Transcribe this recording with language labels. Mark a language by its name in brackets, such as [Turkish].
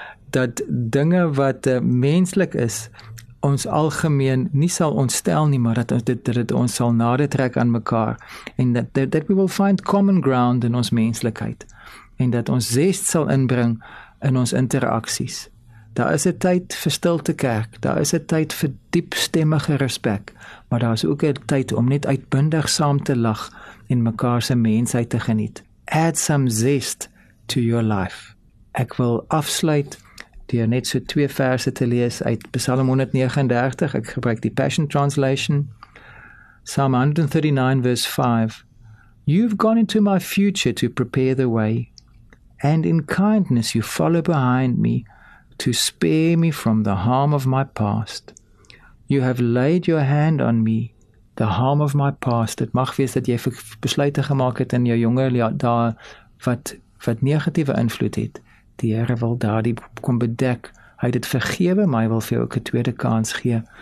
[Afrikaans] Dat dinge wat menslik is ons algemeen nie sal ontstel nie, maar dat ons sal nader trek aan mekaar, en dat [English] we will find common ground [Afrikaans] in ons menslikheid, en dat ons zest sal inbring in ons interaksies. Daar is 'n tyd vir stilte kerk, daar is 'n tyd vir diepstemmige respek, maar daar is ook 'n tyd om net uitbundig saam te lag en mekaar se mensheid te geniet. [English] Add some zest to your life. [Afrikaans] Ek wil afsluit deur net so twee verse te lees uit Psalm 139. Ek gebruik die Passion Translation. Psalm 139 verse 5. [English] You've gone into my future to prepare the way, and in kindness you follow behind me to spare me from the harm of my past. You have laid your hand on me, the harm of my past. [Afrikaans] Dit mag wees dat jy besluite gemaak het in jou jonger dae wat negatiewe invloed het. Die Here wil daardie kom bedek. Hy het dit vergewe, maar hy wil vir jou ook 'n tweede kans gee.